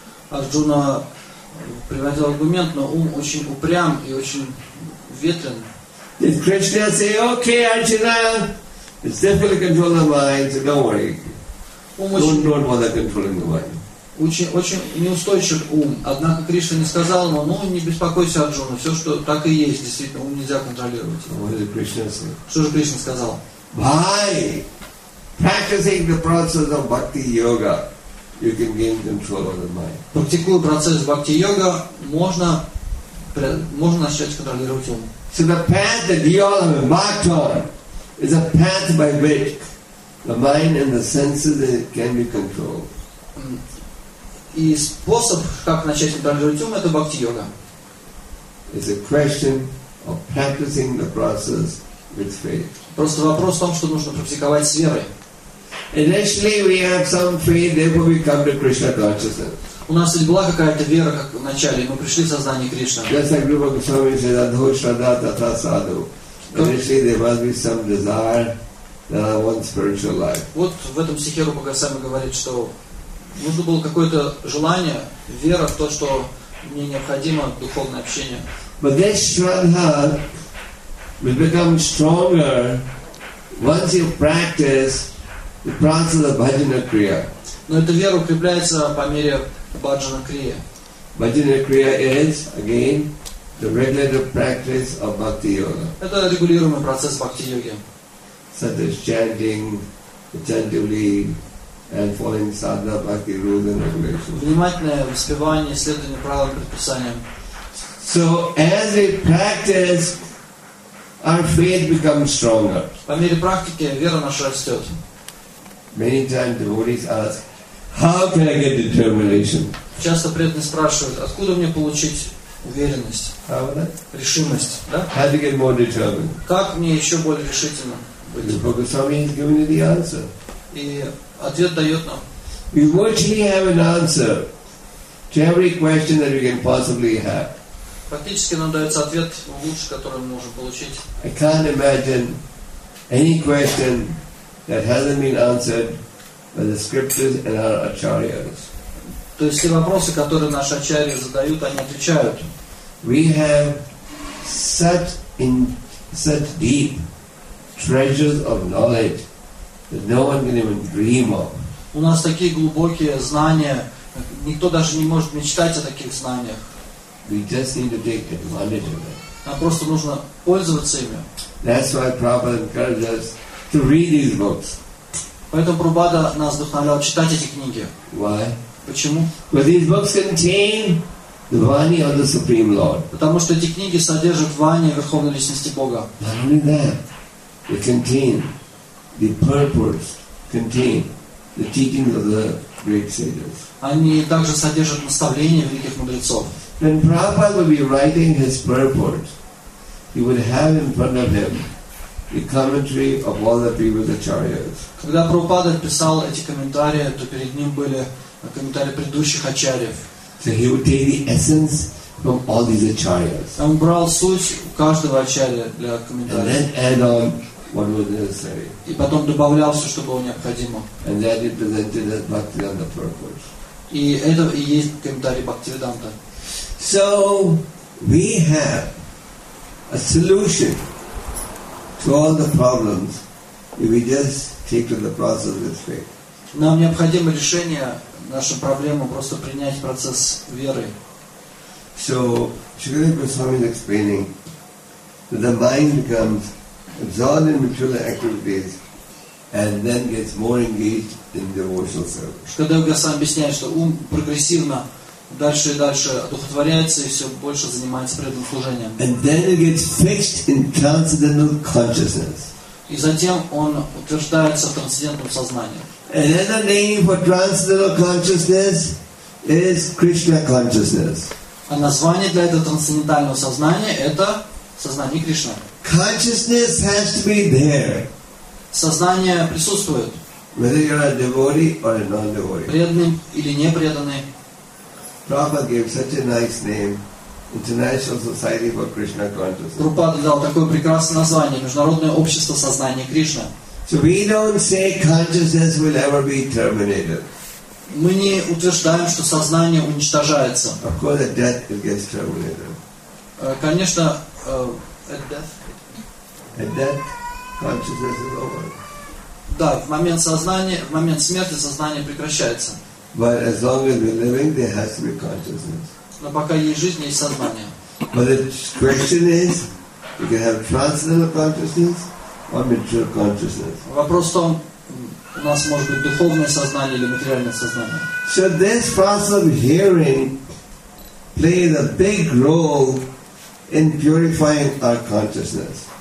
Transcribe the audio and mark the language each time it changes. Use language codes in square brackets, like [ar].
[ru] Арджуна приводил аргумент, но ум очень упрям и очень ветрен. [en] Did Krishna say, okay, Arjuna, it's difficult to control the mind, so don't worry. Don't bother controlling the mind. [ru] Очень неустойчив ум. Однако Кришна не сказал ему, ну не беспокойся, Арджуна, все, что так и есть, действительно, ум нельзя контролировать. [en] What did Krishna say? [ru] Что же Кришна сказал? [en] By practicing the process of bhakti yoga, you can gain control of the mind. [ru] Практикуя процесс бхакти-йога, можно начать контролировать ум. [en] So the path that you all have embarked on is a path by which the mind and the senses can be controlled. [ru] И способ, как начать контролировать ум, это бхакти-йога. [en] It's a question of practicing the process with faith. [ru] Просто вопрос в том, что нужно практиковать с верой. [en] Initially we have some faith, therefore we come to Krishna consciousness. [ru] У нас ведь была какая-то вера, как в начале, мы пришли в сознание Кришны. [en] Just like Rupa Goswami said, [sa] Adho Shraddha Tatha Sadhu. [en] Initially, there must be some desire that I want spiritual life. [ru] Вот в этом стихе Рупа Госвами говорит, что нужно было какое-то желание, вера в то, что мне необходимо духовное общение. [en] But this shraddha will become stronger once you practice the process of bhajana kriya. [ru] Но эта вера укрепляется по мере bhajana kriya. [en] Bhajana kriya is again the regulative practice of bhakti yoga. [ru] Это регулируемый процесс бхакти йоги. [en] Such as chanting attentively and following sadhana bhakti rules and regulations. [ru] Внимательное воспевание, следование правилам и предписаниям. [en] So as we practice, our faith becomes stronger. [ru] По мере практики вера наша растет. [en] Many times devotees ask, "How can I get determination?" [ru] Часто преданные спрашивают, откуда мне получить уверенность? [en] How would that? [ru] Решимость, да? [en] How to get more determined? [ru] Как мне еще более решительно быть? [en] The Buddha Swami has given you the answer. [ru] И ответ дает нам. [en] We virtually have an answer to every question that we can possibly have. [ru] Практически нам дается ответ лучше, который мы можем получить. [en] I can't imagine any question that hasn't been answered by the scriptures and our acharyas. [ru] То есть все вопросы, которые наши ачарьи задают, они отвечают. [en] We have such deep treasures of knowledge that no one can even dream of. [ru] У нас такие глубокие знания, никто даже не может мечтать о таких знаниях. [en] We just need to take advantage of it. [ru] Нам просто нужно пользоваться ими. [en] That's why Prabhupada encouraged us to read these books. [ru] Поэтому Прабхупада нас вдохновлял читать эти книги. [en] Why? [ru] Почему? [en] Because these books contain the Vani of the Supreme Lord. [ru] Потому что эти книги содержат Вани Верховной Личности Бога. [en] Not only that, they contain the purports, contain the teachings of the great sages. [ru] Они также содержат наставления великих мудрецов. [en] When Prabhupada would be writing his purport, he would have in front of him the commentary of all the previous acharyas. [ru] Когда Прабхупада писал эти комментарии, то перед ним были комментарии предыдущих ачарьев. [en] So he would take the essence from all these acharyas. [ru] Он брал суть каждого ачарья для комментариев. [en] And then add on what was necessary. [ru] И потом добавлял все, что было необходимо. [en] And then he presented that Bhakti on the purport. [ru] И это и есть комментарий Бхактивиданта. [en] So we have a solution to all the problems if we just take to the process with faith. [ru] Нам необходимо решение нашим проблемам просто принять процесс веры. [en] So Shri Goswami is explaining that the mind becomes absorbed in material activities and then gets more engaged in devotional service. [ru] Когда Госвами объясняет, что ум прогрессивно дальше и дальше одухотворяется и все больше занимается преданным служением. [en] And then it gets fixed in transcendental consciousness. [ru] И затем он утверждается в трансцендентном сознании. [en] And then the name for transcendental consciousness is Krishna consciousness. [ru] А название для этого трансцендентального сознания это сознание Кришны. [en] Consciousness has to be there. [ru] Сознание присутствует. [en] Whether you're a devotee or a non-devotee. [ru] Преданный или непреданный. [en] Prabhupada gave such a nice name, International Society for Krishna Consciousness. [ru] Prabhupada дал такое прекрасное название, Международное общество сознания Кришны. [en] So we don't say consciousness will ever be terminated. [ru] Мы не утверждаем, что сознание уничтожается. [en] Of course, at death it gets terminated. [ru] Конечно, [en] at death, consciousness is over. [ru] Да, в момент сознания, в момент смерти сознание прекращается. [en] But as long as we're living, there has to be consciousness. [ru] Но пока есть жизнь, есть сознание. [en] But the question is, you can have transcendental consciousness or material consciousness. [ru] Вопрос в том, у нас может быть духовное сознание или материальное сознание. [en] So this process of hearing plays a big role in purifying our consciousness.